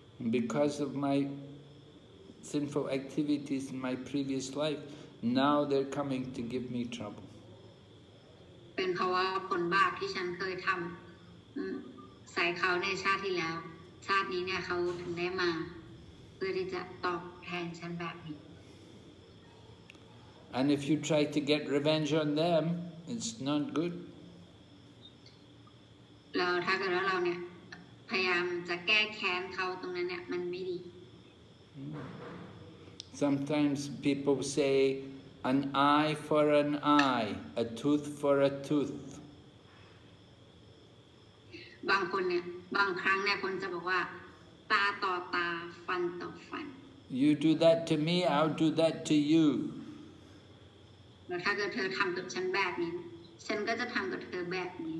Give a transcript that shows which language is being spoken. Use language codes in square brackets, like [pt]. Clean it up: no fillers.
[en] Because of my sinful activities in my previous life, now they're coming to give me trouble. [th] เป็นเพราะว่าผลบาปที่ฉันเคยทำใส่เขาในชาติที่แล้วชาตินี้เนี่ยเขาถึงได้มาเพื่อที่จะตอบแทนฉันแบบนี้ [en] And if you try to get revenge on them it's not good [th] เราถ้าเกิดว่าเราเนี่ยพยายามจะแก้แค้นเขาตรงนั้นเนี่ยมันไม่ดี [en] Sometimes people say an eye for an eye a tooth for a tooth [th] บางคนเนี่ยบางครั้งเนี่ยคนจะบอกว่าตาต่อตาฟันต่อฟัน [en] You do that to me I'll do that to you [th] แล้วถ้าเกิดเธอทำกับฉันแบบนี้ฉันก็จะทำกับเธอแบบนี